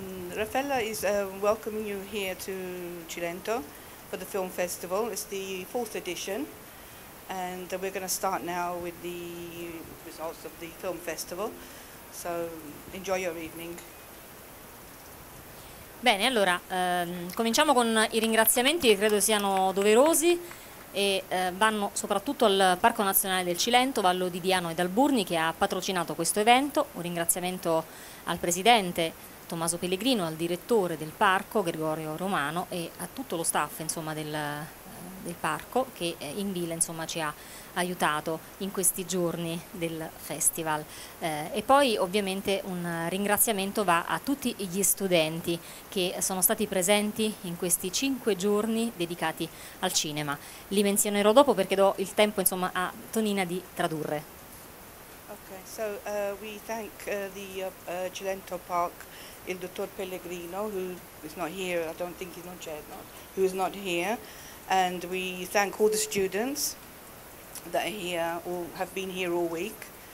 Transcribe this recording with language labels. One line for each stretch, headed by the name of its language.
English: Raffaella is welcoming you here to Cilento for the film festival. It's the fourth edition, and we're going to start now with the results of the film festival. So enjoy your evening.
Italian: Bene, allora cominciamo con i ringraziamenti, che credo siano doverosi, e vanno soprattutto al Parco Nazionale del Cilento, Vallo di Diano e d'Alburni, che ha patrocinato questo evento. Un ringraziamento al presidente Tommaso Pellegrino, al direttore del parco Gregorio Romano e a tutto lo staff, insomma, del parco, che in villa, insomma, ci ha aiutato in questi giorni del festival. E poi ovviamente un ringraziamento va a tutti gli studenti che sono stati presenti in questi 5 giorni dedicati al cinema. Li menzionerò dopo perché do il tempo, insomma, a Tonina di tradurre.
English: Okay, so we thank the Cilento Park,
Italian: il dottor
English: Pellegrino, who is not here, I don't think he's not yet, not, who is not here. And we thank all the students that are here, or have been here all week.